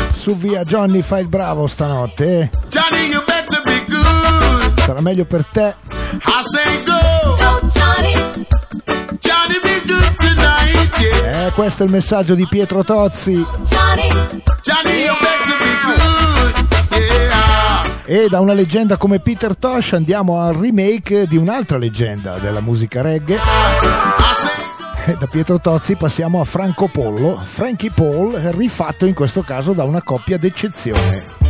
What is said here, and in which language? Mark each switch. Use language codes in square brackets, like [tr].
[it] Via Johnny, fai il bravo stanotte. [en] Johnny, you better be good. [it] Sarà meglio per te. [en] I say go. Go Johnny. Johnny, be good tonight. Yeah. [it] Questo è il messaggio di Pietro Tozzi. [en] Johnny. Johnny, you better be good. Yeah. [it] E da una leggenda come Peter Tosh andiamo al remake di un'altra leggenda della musica reggae. Da Pietro Tozzi passiamo a Franco Pollo, Frankie Paul, rifatto in questo caso da una coppia d'eccezione.